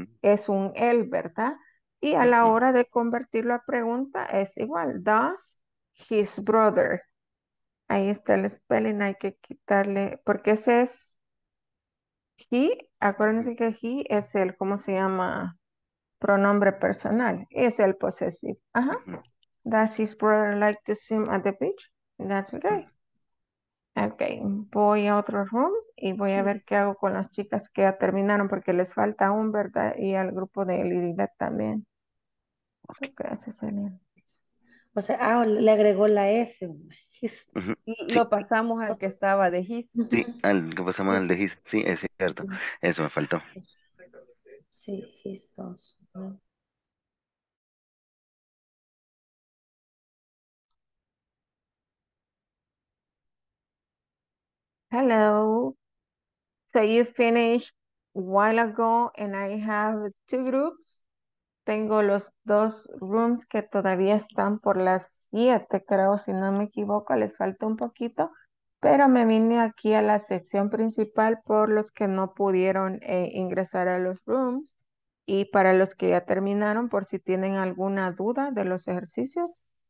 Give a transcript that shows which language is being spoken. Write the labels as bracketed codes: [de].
[es] Es un él, ¿verdad? Y a la hora de convertirlo a pregunta es igual, [en] does his brother. [es] Ahí está el spelling, hay que quitarle, porque ese es he, acuérdense que he es el, ¿cómo se llama? Pronombre personal, es el possessive. Ajá. [en] Does his brother like to swim at the beach? That's okay. [es] Okay, voy a otro room y voy a ver qué hago con las chicas que ya terminaron, porque les falta un, ¿verdad? Y al grupo de Lilibet también. Okay, así sería. O sea, ah, le agregó la S. Lo pasamos al que estaba de his. Sí, al que pasamos al de his. Sí, es cierto. Eso me faltó. Sí, his dos. [en] Hello. So you finished a while ago and I have two groups. [es] Tengo los dos rooms que todavía están por las 7, creo, si no me equivoco, les falta un poquito, pero me vine aquí a la sección principal por los que no pudieron ingresar a los rooms y para los que ya terminaron, por si tienen alguna duda de los ejercicios.